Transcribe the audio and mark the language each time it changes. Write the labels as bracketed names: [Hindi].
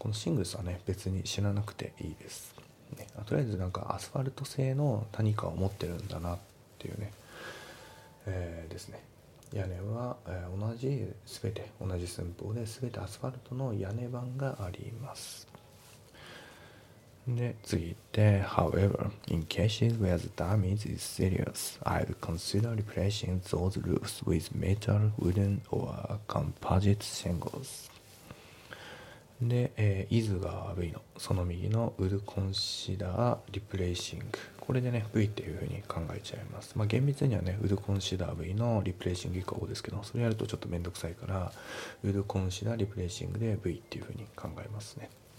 [Japanese] このシングルスはね、別に知らなくていいです、ね。とりあえずなんかアスファルト製の何かを持ってるんだなっていうね、ですね。屋根は、同じ、すべて同じ寸法で、すべてアスファルトの屋根板があります。で、次行って、 [English] However, in cases where the damage is serious, I'd consider replacing those roofs with metal, wooden, or composite shingles. [Japanese] で、イズが V のその右のウルコンシダーリプレイシング、これでね V っていう風に考えちゃいます。まあ厳密にはねウルコンシダー V のリプレイシング以降ですけど、それやるとちょっとめんどくさいから、ウルコンシダーリプレイシングで V っていう風に考えますね。